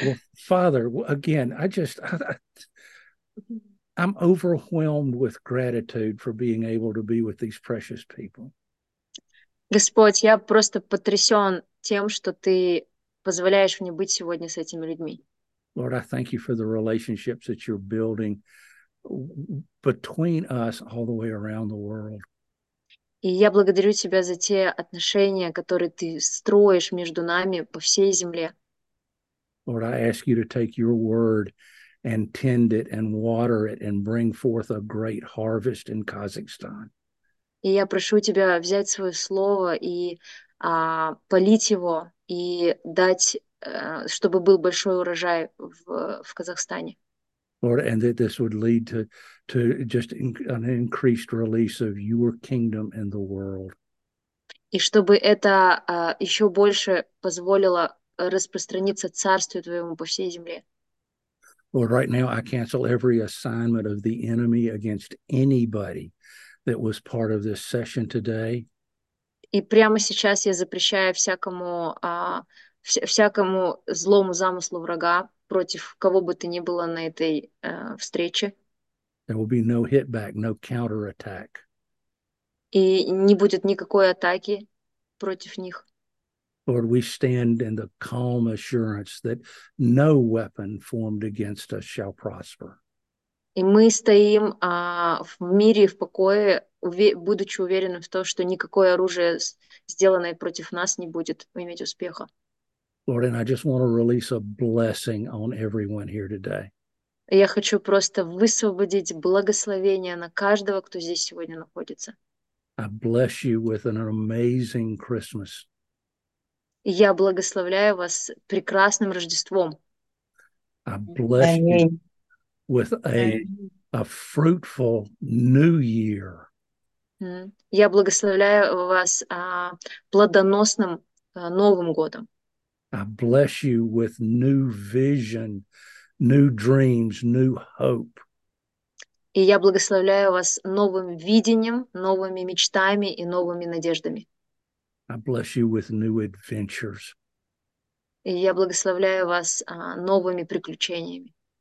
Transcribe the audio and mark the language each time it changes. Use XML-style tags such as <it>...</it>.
<en>Well, Father, again, I'm overwhelmed with gratitude for being able to be with these precious people.</en> <ru>Господь, я просто потрясен тем, что ты позволяешь мне быть сегодня с этими людьми.</ru> <en>Lord, I thank you for the relationships that you're building between us all the way around the world.</en> <ru>И я благодарю тебя за те отношения, которые ты строишь между нами по всей земле.</ru> <en>Lord, I ask you to take your word and tend it and water it and bring forth a great harvest in Kazakhstan.</en> <ru>И я прошу тебя взять свое слово и полить его и дать, чтобы был большой урожай в Казахстане.</ru> <en>Lord, and that this would lead to just an increased release of your kingdom in the world.</en> <ru>И чтобы это еще больше позволило распространиться царству твоему по всей земле.</ru> <en>Lord, right now I cancel every assignment of the enemy against anybody that was part of this session today.</en> <ru>И прямо сейчас я запрещаю всякому всякому злому замыслу врага против кого бы то ни было на этой встрече.</ru> <en>There will be no hit back, no counterattack.</en> <ru>И не будет никакой атаки против них.</ru> <en>Lord, we stand in the calm assurance that no weapon formed against us shall prosper.</en> <ru>И мы стоим в мире, в покое, будучи уверены в том, что никакое оружие, сделанное против нас, не будет иметь успеха.</ru> <en>Lord, and I just want to release a blessing on everyone here today.</en> <ru>Я хочу просто высвободить благословение на каждого, кто здесь сегодня находится.</ru> <en>I bless you with an amazing Christmas.</en> <ru>Я благословляю вас прекрасным Рождеством.</ru> <en>I bless you with a fruitful new year.</en> <ru>Я благословляю вас плодоносным Новым годом.</ru> <en>I bless you with new vision, new dreams, new hope.</en> <ru>И я благословляю вас новым видением, новыми мечтами и новыми надеждами.</ru> <en>I bless you with new adventures.</en> <ru>И я благословляю вас новыми приключениями.</ru>